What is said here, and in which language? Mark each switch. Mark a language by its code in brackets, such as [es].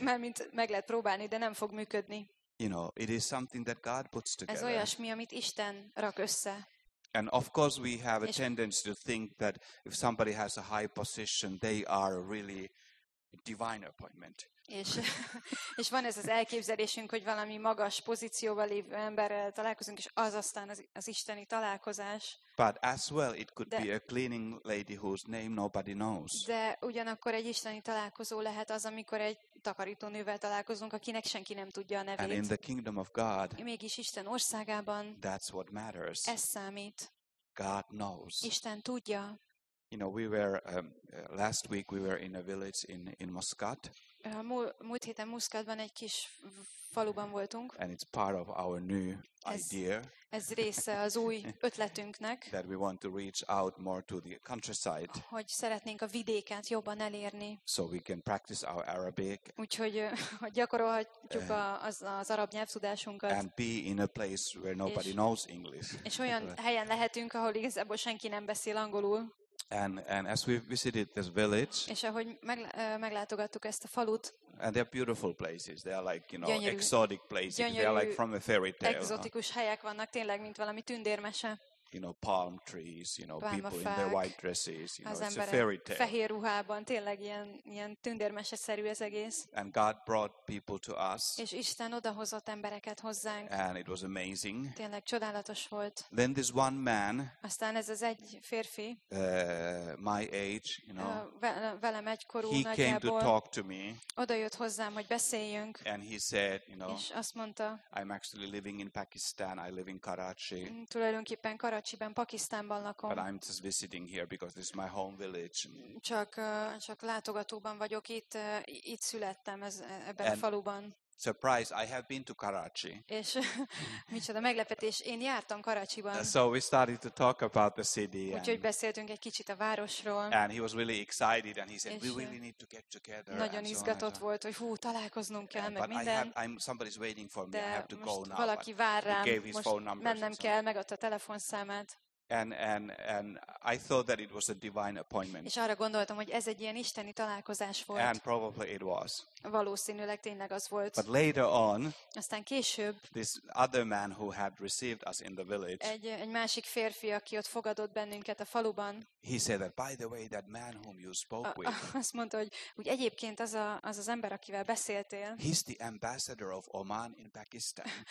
[hu] Mármint meg lehet próbálni, de nem fog működni. [en] You know, it is something that God puts together. [hu] Ez olyasmi, amit Isten rak össze. [en] And of course we have a tendency to think that if somebody has a high position, they are really divine appointment. [hu] És van ez az elképzelésünk, hogy valami magas pozícióval lévő emberrel találkozunk, és az aztán az isteni találkozás. [en] But as well it could be a cleaning lady whose name nobody knows. [hu] De ugyanakkor egy isteni találkozó lehet az, amikor egy takarítónővel találkozunk, akinek senki nem tudja a nevét. [en] And in the kingdom of God. [hu] Mégis Isten országában. [en] That's what matters. [hu] Ez számít. [en] God knows. [hu] Isten tudja. [en] You know, we were last week we were in a village in Muscat. [hu] Múlt héten Muscatban egy kis faluban voltunk. [en] And it's part of our new idea. [hu] Ez része az új ötletünknek. [en] That we want to reach out more to the countryside. [hu] Hogy szeretnénk a vidéket jobban elérni. [en] So we can practice our Arabic. [hu] Úgyhogy gyakorolhatjuk az arab nyelvtudásunkat. [en] And be in a place where nobody knows English. [hu] És olyan helyen lehetünk, ahol igazából senki nem beszél angolul. [en] And as we visited this village, [hu] és ahogy meglátogattuk ezt a falut, [en] and they're beautiful places, they are like, you know, [hu] gyönyörű, [en] exotic places, they are like from a fairy tale. [hu] Exotikus helyek vannak, tényleg, mint valami tündérmese. [en] You know, palm trees, you know, [hu] pálmafák, [en] people in their white dresses, you know, it's a fairy tale. [hu] Fehér ruhában, tényleg ilyen tündérmeseszerű ez egész. [en] And God brought people to us. [hu] És Isten odahozott embereket hozzánk. [en] And it was amazing. [hu] Tényleg csodálatos volt. [en] Then this one man. [hu] Aztán ez az egy férfi. [en] My age, you know. [hu] Velem egykorú nagyjából. [en] He came to talk to me. [hu] Odajött hozzám, hogy beszéljünk. [en] And he said, you know. [hu] És azt mondta. [en] I'm actually living in Pakistan. I live in Karachi. [hu] Tulajdonképpen Karacsiben, Pakisztánban lakom. [en] But I'm just visiting here because this is my home village. [hu] Csak látogatóban vagyok itt, itt születtem ebben a faluban. [en] Surprise, I have been to Karachi. [hu] És micsoda meglepetés, én jártam Karachiban. [en] So we started to talk about the city. [hu] Úgyhogy beszéltünk egy kicsit a városról. [en] And he was really excited and he said we really need to get together. [hu] Nagyon izgatott [en] so [hu] volt, hogy hú, találkoznunk kell, [en] yeah, [hu] meg [en] but [hu] minden. [en] But somebody's waiting for me. [hu] De [en] I have to go now. [hu] Valaki vár rám. Mennem kell, megadta a telefonszámát. [en] And I thought that it was a divine appointment. [hu] És arra gondoltam, hogy ez egy ilyen isteni találkozás volt. [en] And probably it was. [hu] Valószínűleg tényleg az volt. [en] But later on, [hu] aztán később, [en] this other man who had received us in the village, [hu] egy másik férfi, aki ott fogadott bennünket a faluban, [en] he said that, by the way, that man whom you spoke with, [hu] azt mondta, hogy úgy egyébként az az ember, akivel beszéltél, [en] he's the ambassador of Oman in Pakistan.